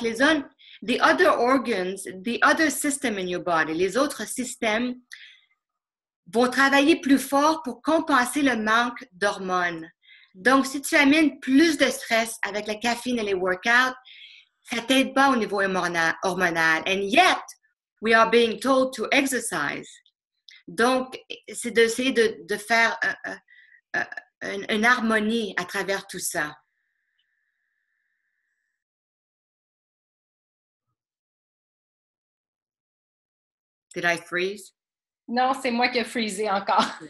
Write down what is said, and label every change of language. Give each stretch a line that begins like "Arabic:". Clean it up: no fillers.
French: Les zones,
English: the other organs, the other system in your body,
French: les autres systèmes vont travailler plus fort pour compenser le manque d'hormones. Donc, si tu amènes plus de stress avec la caféine et les workouts, ça t'aide pas au niveau hormonal.
English: And yet, we are being told to exercise.
French: Donc, c'est d'essayer de faire une harmonie à travers tout ça.
English: Did I freeze?
French: Non, c'est moi qui ai freezé encore.